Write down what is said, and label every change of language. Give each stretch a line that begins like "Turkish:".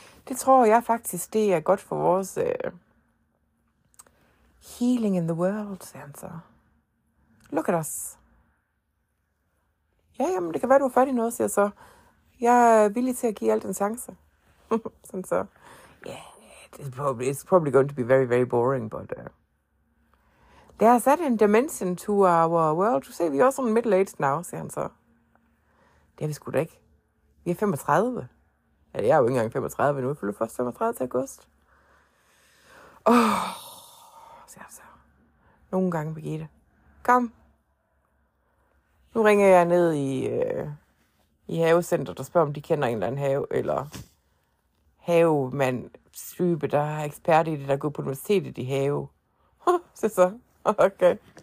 Danish: Det tror jeg faktisk, det er godt for vores
English: healing in the world,
Danish: siger han så.
English: Look at us.
Danish: Ja, jamen, det kan være, du har fat i noget, siger så. Jeg er villig til at give alt en chance. Sådan så.
English: Yeah, it's probably going to be very, very boring, but... There's that in dimension to our world. You see, we're also middle-aged now,
Danish: siger han så. Det er vi sgu da ikke. Vi er 35. Ja, jeg er jo ikke engang 35 nu. Jeg følger først 35 til august. Siger han så. Nogle gange, Birgitte. Kom. Nu ringer jeg ned i havecenteret og spørger, om de kender en eller anden have, eller havemand-type, der er ekspert i det, der går på universitetet i have. Siger så. Okay.